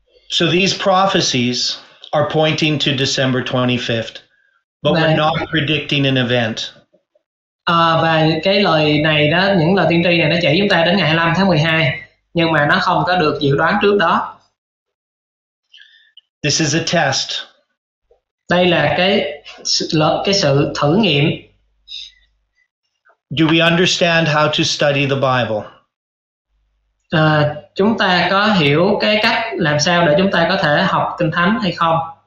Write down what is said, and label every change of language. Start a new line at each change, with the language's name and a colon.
English: So these prophecies are pointing to December 25th, but we're not predicting an event.
Vietnamese: Và cái lời này đó, những lời tiên tri này nó chỉ chúng ta đến ngày 25 tháng 12, nhưng mà nó không có được dự đoán trước đó.
English: This is a test.
Vietnamese: Đây là cái sự thử nghiệm.
English: Do we understand how to study the Bible?
Vietnamese: Chúng ta có hiểu cái cách làm sao để chúng ta có thể học Kinh Thánh hay không?